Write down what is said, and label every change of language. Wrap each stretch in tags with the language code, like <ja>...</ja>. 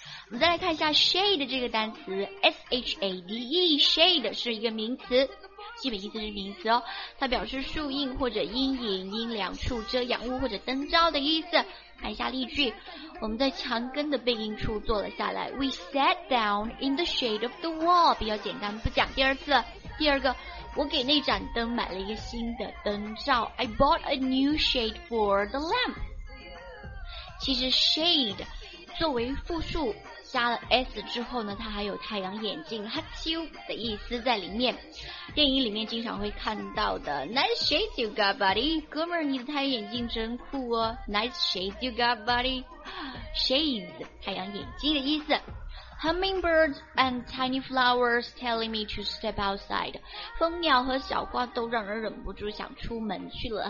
<zh>我们再来看一下 shade 这个单词， shade， shade 是一个名词，基本意思是名词哦，它表示树荫或者阴影、阴凉处、遮阳物或者灯罩的意思。看一下例句，我们在墙根的背阴处坐了下来。</zh> <en>We sat down in the shade of the wall.</en> <zh>比较简单，不讲第二次。第二个，我给那盏灯买了一个新的灯罩。</zh> <en>I bought a new shade for the lamp.</en> <zh>其实 shade 作为复数加了 s 之后呢，它还有太阳眼镜 hatsu 的意思在里面。电影里面经常会看到的</zh> <en>Nice shade you got, buddy.</en> <zh>哥们儿，你的太阳眼镜真酷哦。</zh> <en>Nice shade you got, buddy. Shades</en> <zh>太阳眼镜的意思。</zh> <en>Hummingbirds and tiny flowers telling me to step outside.</en> <zh>蜂鸟和小花都让人忍不住想出门去了。</zh>